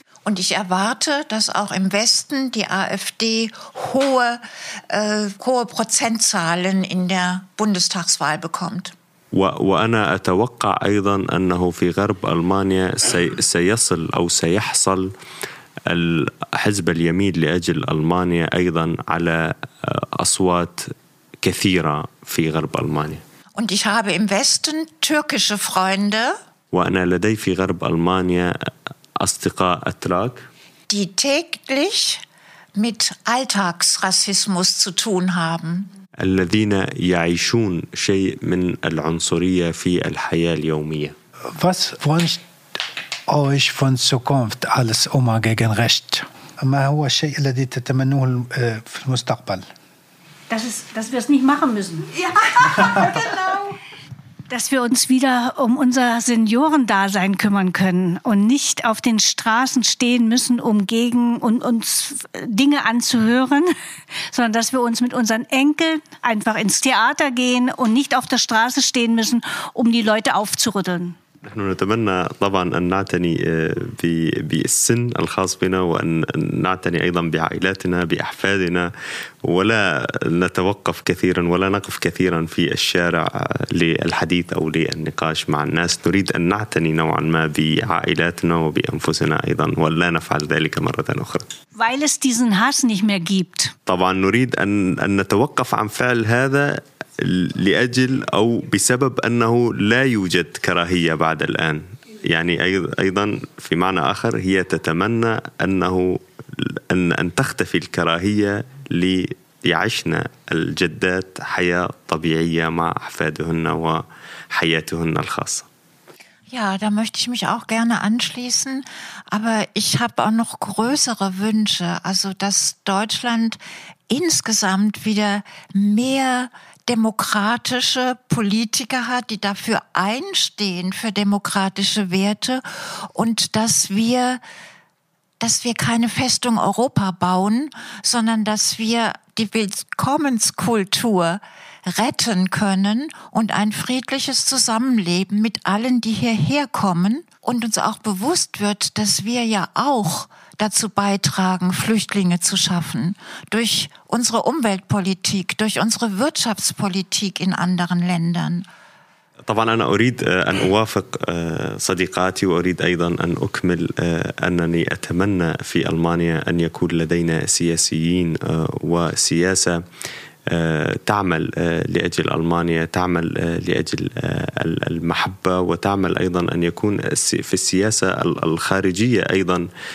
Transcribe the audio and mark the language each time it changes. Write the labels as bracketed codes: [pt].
[de] Und ich erwarte, dass auch im Westen die AfD hohe Prozentzahlen in der Bundestagswahl bekommt. [ar] وأنا أتوقع أيضا أنه في غرب ألمانيا سيصل أو سيحصل الحزب اليمين لأجل ألمانيا أيضا على أصوات كثيرة في غرب ألمانيا. [de] Und ich habe im Westen türkische Freunde. [ar] وأنا لدي في غرب ألمانيا أصدقاء أتراك. [de] Die täglich mit Alltagsrassismus zu tun haben. [ar] الذين يعيشون شيء من العنصرية في الحياة اليومية. [de] Was wünscht euch von Zukunft als Oma gegen Recht? [ar] ما هو الشيء الذي تتمنوه في المستقبل؟ [de] Dass wir es nicht machen müssen. Genau. Dass wir uns wieder um unser Seniorendasein kümmern können und nicht auf den Straßen stehen müssen, um gegen und uns Dinge anzuhören, sondern dass wir uns mit unseren Enkeln einfach ins Theater gehen und nicht auf der Straße stehen müssen, um die Leute aufzurütteln. [ar] نحن نتمنى طبعا أن نعتني بالسن الخاص بنا وأن نعتني أيضا بعائلاتنا بأحفادنا ولا نتوقف كثيرا ولا نقف كثيرا في الشارع للحديث أو للنقاش مع الناس نريد أن نعتني نوعا ما بعائلاتنا وبأنفسنا أيضا ولا نفعل ذلك مرة أخرى [de] weil es diesen Hass nicht mehr gibt. [ar] طبعا نريد أن نتوقف عن فعل هذا لأجل أو بسبب أنه لا يوجد كراهية بعد الآن يعني أيضا في معنى آخر هي تتمنى أنه أن تختفي الكراهية ليعشنا الجدات حياة طبيعية مع أحفادهن وحياتهن الخاصة. [de] Ja, da möchte ich mich auch gerne anschließen, aber ich habe auch noch größere Wünsche, also dass Deutschland insgesamt wieder mehr demokratische Politiker hat, die dafür einstehen, für demokratische Werte und dass wir keine Festung Europa bauen, sondern dass wir die Willkommenskultur retten können und ein friedliches Zusammenleben mit allen, die hierher kommen und uns auch bewusst wird, dass wir ja auch dazu beitragen, Flüchtlinge zu schaffen, durch unsere Umweltpolitik, durch unsere Wirtschaftspolitik in anderen Ländern. [ar] طبعا أنا أريد أن أوافق صديقاتي وأريد أيضا أن أكمل أنني أتمنى في ألمانيا أن يكون لدينا سياسيين وسياسة تعمل لأجل ألمانيا تعمل لأجل المحبة وتعمل أيضا أن يكون في السياسة الخارجية أيضا